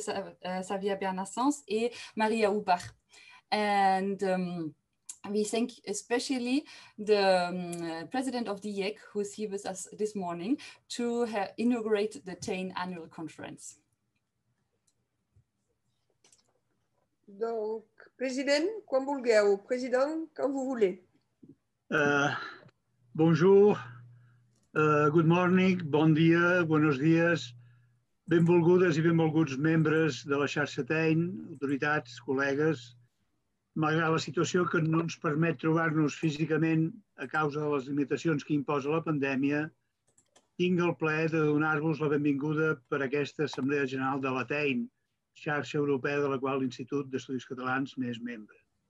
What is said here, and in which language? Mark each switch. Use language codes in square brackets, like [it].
[en] Xavier Bernassens, and Maria Ubach. And we thank especially the president of the IEC, who is here with us this morning, to inaugurate the TEIN annual conference. [fr] Donc, président, quand vous voulez, ou président, quand vous voulez. Bonjour, [en] good morning, [ca] bon dia, [es] buenos días, [ca] benvolgudes i benvolguts membres de la xarxa TEIN, autoritats, col·legues. Malgrat la situació que no ens permet trobar-nos físicament a causa de les limitacions que imposa la pandèmia, tinc el plaer de donar-vos la benvinguda per a aquesta Assemblea General de la TEIN, xarxa europea de la qual l'Institut d'Estudis Catalans n'és membre.